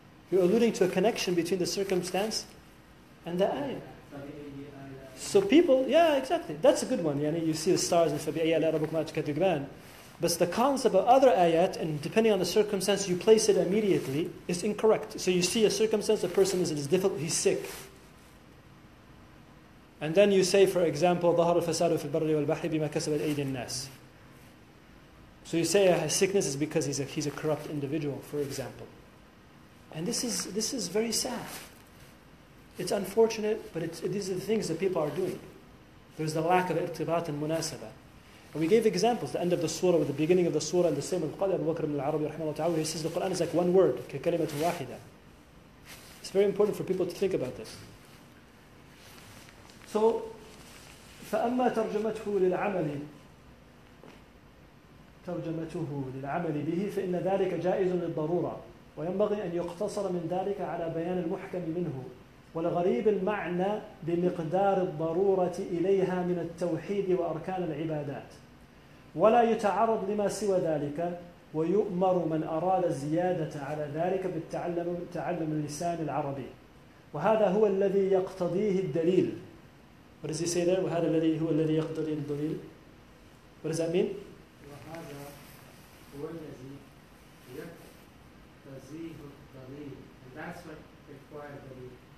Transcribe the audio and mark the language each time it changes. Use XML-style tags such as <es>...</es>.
<en>You're alluding to a connection between the circumstance and the ayah. So people, yeah, exactly. That's a good one. Yani you see the stars and</en> <ar>فَبِأَيَّ لَا رَبُكُمَا تُكَذِّبَانِ.</ar> <en>But the concept of other ayat, and depending on the circumstance, you place it immediately, is incorrect. So you see a circumstance, a person is difficult, he's sick. And then you say, for example,</en> <ar>ظَهَرُ الْفَسَادُ فِي الْبَرِّ وَالْبَحْرِ بِمَا كَسَبَتْ أَيْدِ النَّاسِ.</ar> <en>So you say his sickness is because he's a corrupt individual, for example. And this is very sad. It's unfortunate, but these are the things that people are doing. There's the lack of irtibat and munasaba. And we gave examples, the end of the surah, with the beginning of the surah, and the same with Qadi Abu Bakr ibn al-Arabi, rahimahullah ta'ala, he says the Qur'an is like one word,</en> <ar>كَكَلِمَةٌ وَاحِدَةٌ.</ar> <en>It's very important for people to think about this.</en> <ar>So, فَأَمَّا تَرْجَمَتْهُ لِلْعَمَلِ تَرْجَمَتُهُ لِلْعَمَلِ بِهِ فَإِنَّ ذَلِكَ جَائِزٌ لِلْضَرُورَةِ وَيَنْبَغِي أَنْ يُقْتَصَرَ مِنْ ذَلِكَ عَلَى بَيَانِ الْمُحْكَمِ مِنْهُ ولغريب المعنى بمقدار الضرورة إليها من التوحيد وأركان العبادات ولا يتعرض لما سوى ذلك ويؤمر من أراد زيادة على ذلك بالتعلم اللسان العربي وهذا هو الذي يقتضيه الدليل.</ar> <en>What does he say there?</en> <ar>وهذا الذي هو الذي يقتضي الدليل.</ar> <en>What does that mean?</en> <ar>وهذا هو الذي يقتضيه الدليل.</ar> <en>And that's what requires the dalil.</en>